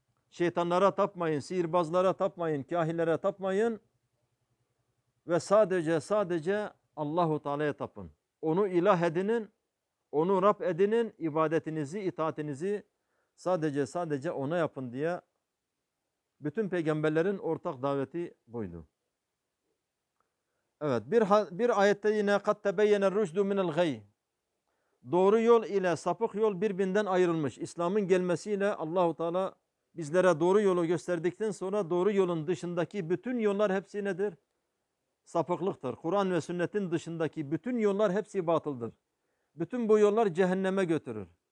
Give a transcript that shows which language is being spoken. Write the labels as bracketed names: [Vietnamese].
[Turkish] Şeytanlara tapmayın, sihirbazlara tapmayın, kâhinlere tapmayın ve sadece Allah-u Teala'ya tapın. Onu ilah edinin, onu Rab edinin, ibadetinizi, itaatinizi sadece ona yapın diye bütün peygamberlerin ortak daveti buydu. Evet, bir ayette yine [Arabic] قَدْ تَبَيَّنَ الرُّجْدُ مِنَ الْغَيِّ. [Turkish] Doğru yol ile sapık yol birbirinden ayrılmış. İslam'ın gelmesiyle Allah-u Teala bizlere doğru yolu gösterdikten sonra doğru yolun dışındaki bütün yollar hepsi nedir? Sapıklıktır. Kur'an ve sünnetin dışındaki bütün yollar hepsi batıldır. Bütün bu yollar cehenneme götürür.